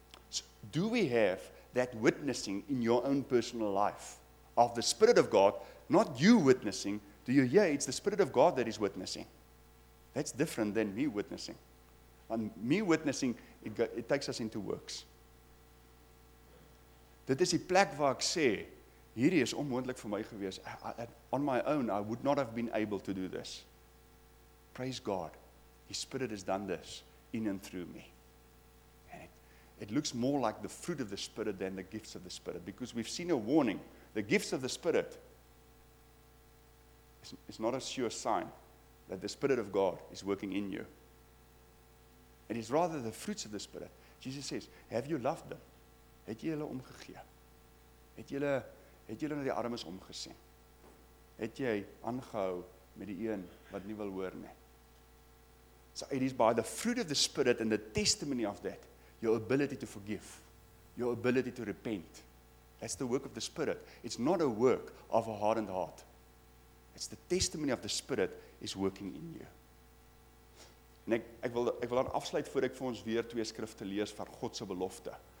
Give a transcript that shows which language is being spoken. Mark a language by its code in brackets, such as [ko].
[en] So do we have that witnessing in your own personal life of the Spirit of God, not you witnessing? Do you hear? It's the Spirit of God that is witnessing. That's different than me witnessing. And me witnessing, it takes us into works. [af] Dit is die plek waar ek sê, hierdie is onmoontlik vir my gewees. [en] On my own, I would not have been able to do this. Praise God. His Spirit has done this in and through me. And it looks more like the fruit of the Spirit than the gifts of the Spirit. Because we've seen a warning. The gifts of the Spirit, it's not a sure sign that the Spirit of God is working in you. It is rather the fruits of the Spirit. Jesus says, have you loved them? [af] Het jy hulle omgegee? Het jy hulle na die armes omgesien? Het jy aangehou met die een wat nie wil hoor nie? [en] So it is by the fruit of the Spirit and the testimony of that, your ability to forgive, your ability to repent. That's the work of the Spirit. It's not a work of a hardened heart. It's the testimony of the Spirit is working in you. [af] En ek wil dan afsluit voor ek vir ons weer twee skrifte lees van God se belofte.